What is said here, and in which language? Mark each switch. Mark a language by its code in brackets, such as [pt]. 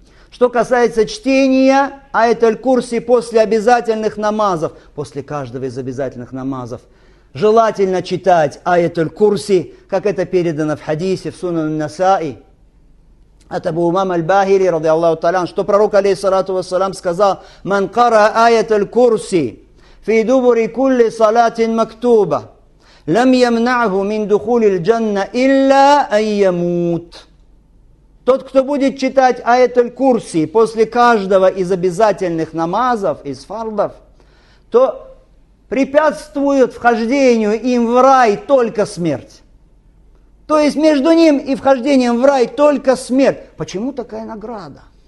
[ru] Что касается чтения аятуль курси после обязательных намазов, после каждого из обязательных намазов, желательно читать аятуль курси, как это передано в хадисе, в Сунан ан-Насаи, от Абу Умама аль-Бахири, ради Аллаху талян, что пророк, алейхиссалату вассалям, сказал: [ar] «Ман кара аятуль курси фи дубури кулли салатин мактуба». لم يمنعه من دخول الجنة إلا أن يموت. [ru] Тот, кто будет читать аятуль курси после каждого из обязательных намазов, из фардов, то препятствует вхождению им в рай только смерть. То есть между ним и вхождением в рай только смерть. Почему такая награда?